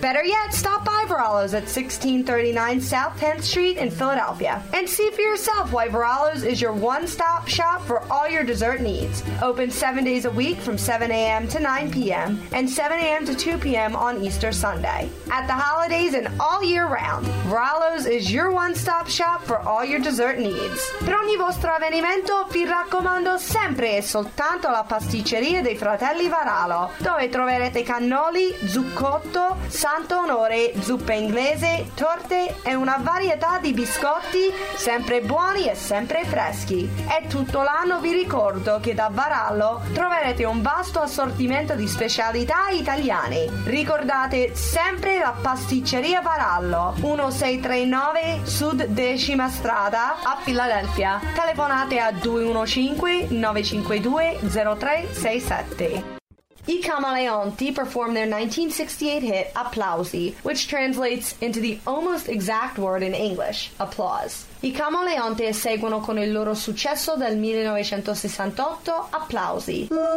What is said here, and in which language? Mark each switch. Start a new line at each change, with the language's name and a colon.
English: Better yet, stop by Varallo's at 1639 South 10th Street in Philadelphia and see for yourself why Varallo's is your one-stop shop for all your dessert needs. Open 7 days a week from 7 a.m. to 9 p.m. and 7 a.m. to 2 p.m. on Easter Sunday. At the holidays and all year round, Varallo's is your one-stop shop for all your dessert needs.
Italian: Per ogni vostro avvenimento, vi raccomando sempre e soltanto la pasticceria dei fratelli Varallo, dove troverete cannoli, zucchotto, santo onore, zuppe inglese, torte e una varietà di biscotti sempre buoni e sempre freschi. E tutto l'anno vi ricordo che da Varallo troverete un vasto assortimento di specialità italiane. Ricordate sempre la pasticceria Varallo, 1639 Sud Decima Strada a Philadelphia. Telefonate a 215-952-0367.
English: I Camaleonti perform their 1968 hit Applausi, which translates into the almost exact word in English, applause.
Italian: I Camaleonti seguono con il loro successo del 1968, Applausi.